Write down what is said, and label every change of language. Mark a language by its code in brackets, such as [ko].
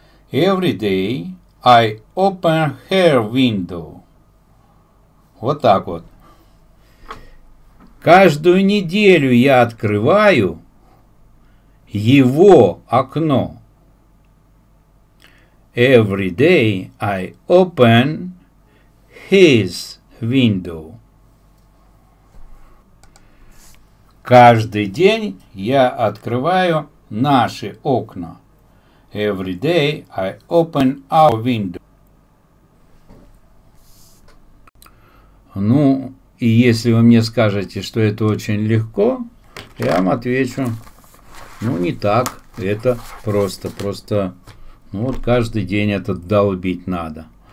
[en] Every day I open her window. [ru] Вот так вот. Каждую неделю я открываю его окно. [en] Every day I open his window. [ru] Каждый день я открываю наши окна. [en] Every day I open our window. [ru] Ну, и если вы мне скажете, что это очень легко, я вам отвечу, ну, не так, это просто, просто, ну, вот каждый день это долбить надо.